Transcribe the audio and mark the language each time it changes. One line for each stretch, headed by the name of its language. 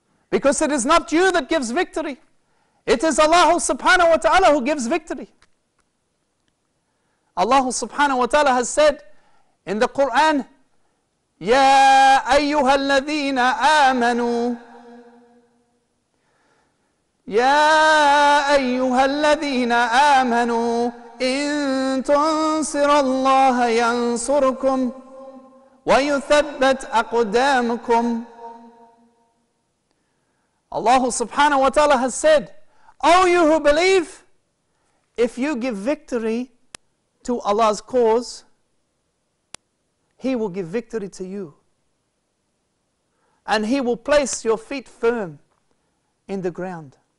English: Because it is not you that gives victory. It is Allah subhanahu wa ta'ala who gives victory. Allah subhanahu wa ta'ala has said in the Quran,
Arabic: Ya ayyuha alladhina amanu. يا أيها الذين آمنوا إن تنصر الله ينصركم ويثبت أقدامكم.
English: Allah subhanahu wa ta'ala has said, O you who believe, if you give victory to Allah's cause, He will give victory to you. And He will place your feet firm in the ground.